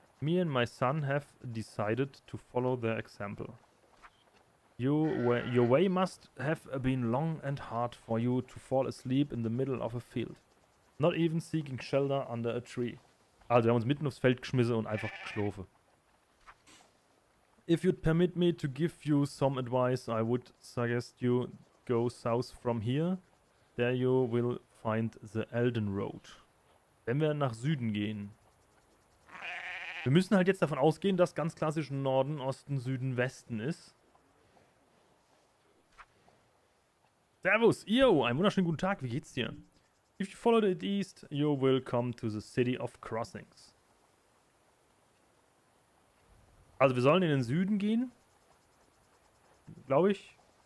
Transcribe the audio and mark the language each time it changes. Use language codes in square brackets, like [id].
[en] Me and my son have decided to follow their example. Your way must have been long and hard for you to fall asleep in the middle of a field. Not even seeking shelter under a tree. [de] Also wir haben uns mitten aufs Feld geschmissen und einfach geschlafen. [en] If you'd permit me to give you some advice, I would suggest you go south from here. There you will find the Elden Road. [de] Wenn wir nach Süden gehen. Wir müssen halt jetzt davon ausgehen, dass ganz klassisch Norden, Osten, Süden, Westen ist. Servus, yo, einen wunderschönen guten Tag, wie geht's dir? [en] If you follow the east, you will come to the City of Crossings. [de] Also wir sollen in den Süden gehen, glaube ich.